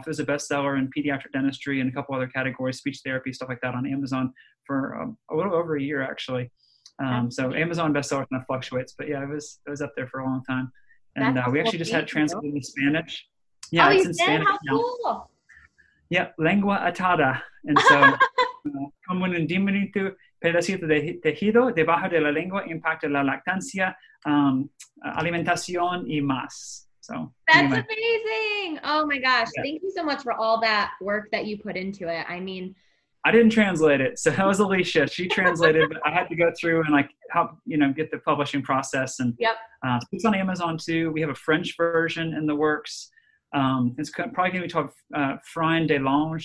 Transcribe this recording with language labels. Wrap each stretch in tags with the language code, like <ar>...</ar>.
<en>It was a bestseller in pediatric dentistry and a couple other categories, speech therapy, stuff like that on Amazon for a little over a year, actually. So Amazon bestseller kind of fluctuates, but yeah, it was up there for a long time. And we actually just had translated into Spanish. Yeah, it's in Spanish. How cool.</en> <es>Yeah, lengua atada.</es> <en>And so,</en> <es>como un diminuto pedacito de tejido debajo de la lengua impacta la lactancia, alimentación y más.</es> <en>So that's amazing. Oh my gosh. Yeah. Thank you so much for all that work that you put into it. I mean, I didn't translate it. So that was Alicia. She translated, but I had to go through and like help, you know, get the publishing process. And yep. It's on Amazon too. We have a French version in the works. It's probably going to be called frein de langue.</en>